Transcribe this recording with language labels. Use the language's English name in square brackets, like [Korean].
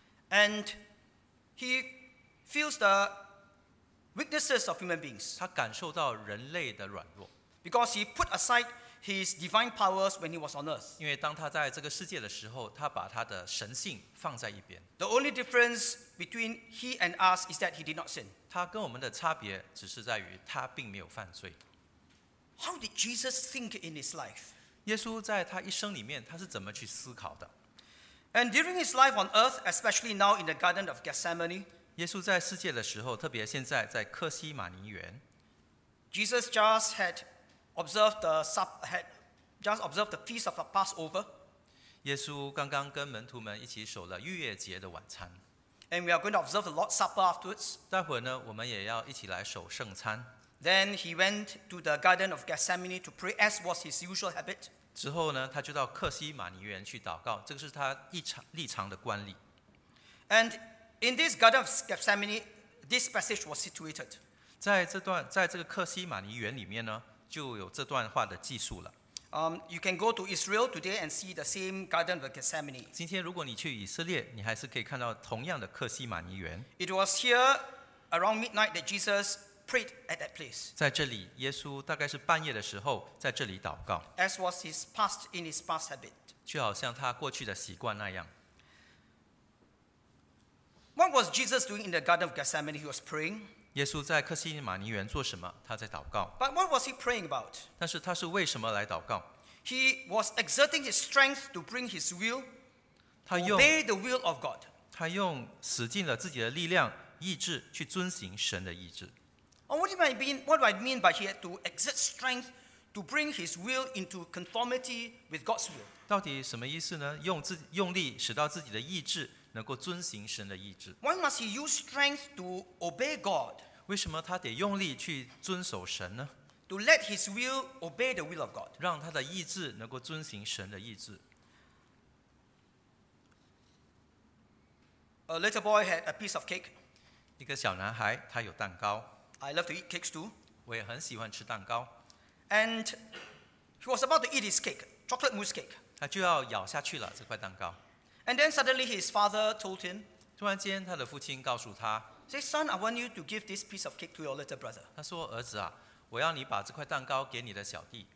[English] And he feels the weaknesses of human beings. [Chinese] 他感受到人类的软弱。 [English] Because he put aside his divine powers when he was on earth. [Chinese] 因为当他在这个世界的时候，他把他的神性放在一边。 [English] The only difference between he and us is that he did not sin. [Chinese] 他跟我们的差别只是在于他并没有犯罪。 [English] How did Jesus think in his life? [Chinese] 耶稣在他一生里面，他是怎么去思考的？ [English] And during his life on earth, especially now in the Garden of Gethsemane, [Chinese] 耶稣在世界的时候，特别现在在克西马尼园， [English] Jesus just had observed the feast of the Passover. [Chinese] 耶稣刚刚跟门徒们一起守了逾越节的晚餐。 [English] And we are going to observe the Lord's Supper afterwards. [Chinese] 待会呢，我们也要一起来守圣餐。 [English] Then he went to the Garden of Gethsemane to pray, as was his usual habit. [Chinese] 之后呢，他就到克西马尼园去祷告，这个是他历常的惯例。 [English] And in this Garden of Gethsemane, this passage was situated. [Chinese] 在这个克西马尼园里面呢，就有这段话的记述了。 [English] You can go to Israel today and see the same Garden of Gethsemane. [Chinese] 今天如果你去以色列，你还是可以看到同样的克西马尼园。 [English] It was here around midnight that Jesus prayed at that place. [Chinese] 在这里，耶稣大概是半夜的时候在这里祷告。 [English] As was his past in his past habit. [Chinese] 就好像他过去的习惯那样。 [English] What was Jesus doing in the Garden of Gethsemane? He was praying. [Chinese] 耶稣在克西马尼园做什么？他在祷告。 [English] But what was he praying about? [Chinese] 但是他是为什么来祷告？ [English] He was exerting his strength to bring his will, obey the will of God. [Chinese] 他用使尽了自己的力量、意志去遵行神的意志。 [English] What do I mean by he had to exert strength to bring his will into conformity with God's will? [Chinese] 到底什么意思呢？用力使到自己的意志能够遵行神的意志。 [English] Why must he use strength to obey God? [Chinese] 为什么他得用力去遵守神呢？ [English] To let his will obey the will of God. [Chinese] 让他的意志能够遵行神的意志。 [English] A little boy had a piece of cake. [Chinese] 一个小男孩他有蛋糕。 [English] I love to eat cakes too. [Chinese] 我也很喜欢吃蛋糕。 [English] And he was about to eat his cake, chocolate mousse cake. [Chinese] 他就要咬下去了这块蛋糕。 [English] And then suddenly his father told him. [Chinese] 突然间，他的父亲告诉他。 [English] Say, son, I want you to give this piece of cake to your little brother. [Chinese] 他说，儿子啊，我要你把这块蛋糕给你的小弟。